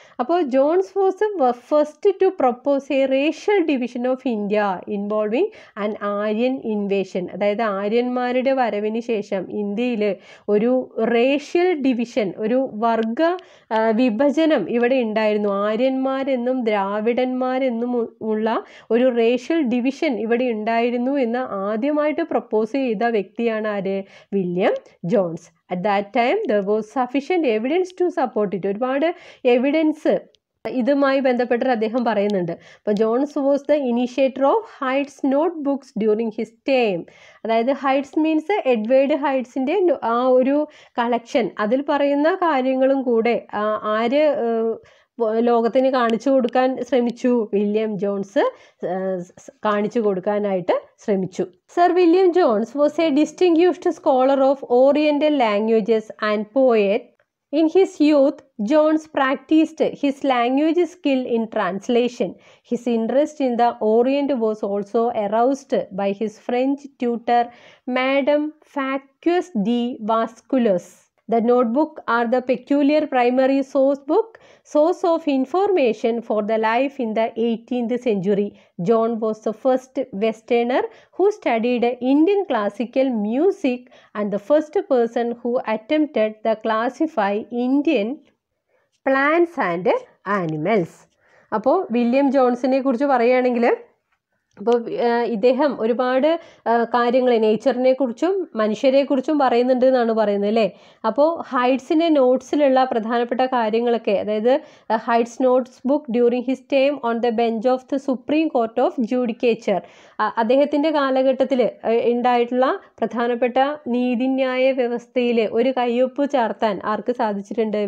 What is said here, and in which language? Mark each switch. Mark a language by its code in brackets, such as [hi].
[en] അപ്പോൾ Jones was first to propose a racial division of India involving an Aryan invasion, [ml] അതായത് ആര്യന്മാരുടെ വരവിന് ശേഷം ഇന്ത്യയിൽ ഒരു റേഷ്യൽ ഡിവിഷൻ, ഒരു വർഗ വിഭജനം ഇവിടെ ഉണ്ടായിരുന്നു. ആര്യന്മാരെന്നും ദ്രാവിഡന്മാരെന്നും ഉള്ള ഒരു റേഷ്യൽ ഡിവിഷൻ ഇവിടെ ഉണ്ടായിരുന്നു എന്ന് ആദ്യമായിട്ട് പ്രൊപ്പോസ് ചെയ്ത വ്യക്തിയാണ് ആര്? William Jones. [en] At that time, there was sufficient evidence to support it. [ml] ഒരുപാട് എവിഡൻസ് ഇതുമായി ബന്ധപ്പെട്ട് അദ്ദേഹം പറയുന്നുണ്ട്. [en] അപ്പോൾ Jones was the initiator of Hyde's note books during his time. [ml] അതായത് ഹൈഡ്സ് മീൻസ് എഡ്വേർഡ് ഹൈഡ്സിൻ്റെ ആ ഒരു കളക്ഷൻ, അതിൽ പറയുന്ന കാര്യങ്ങളും കൂടെ ആര് ലോകത്തിന് കാണിച്ചു കൊടുക്കാൻ ശ്രമിച്ചു? വില്യം ജോൺസ് കാണിച്ചു കൊടുക്കാനായിട്ട് ശ്രമിച്ചു. [en] Sir William Jones was a distinguished scholar of oriental languages and poet. In his youth Jones practised his language skill in translation. His interest in the orient was also aroused by his French tutor madam Fakyus de Vaskulus. The notebook are the peculiar primary source of information for the life in the 18th century. John was the first Westerner who studied Indian classical music and the first person who attempted to classify Indian plants and animals. [ml] അപ്പോൾ William ജോൺസിനെ കുറിച്ച് പറയുകയാണെങ്കിൽ അപ്പോൾ ഇദ്ദേഹം ഒരുപാട് കാര്യങ്ങൾ നേച്ചറിനെ കുറിച്ചും മനുഷ്യരെ കുറിച്ചും പറയുന്നുണ്ട് എന്നാണ് പറയുന്നത് അല്ലേ. അപ്പോൾ ഹൈഡ്സിൻ്റെ നോട്ട്സിലുള്ള പ്രധാനപ്പെട്ട കാര്യങ്ങളൊക്കെ, അതായത് [en] Hyde's notes book during his time on the bench of the Supreme Court of Judicature, [ml] അദ്ദേഹത്തിൻ്റെ കാലഘട്ടത്തിൽ ഉണ്ടായിട്ടുള്ള പ്രധാനപ്പെട്ട നീതിന്യായ വ്യവസ്ഥയിൽ ഒരു കയ്യൊപ്പ് ചേർത്താൻ ആർക്ക് സാധിച്ചിട്ടുണ്ട്?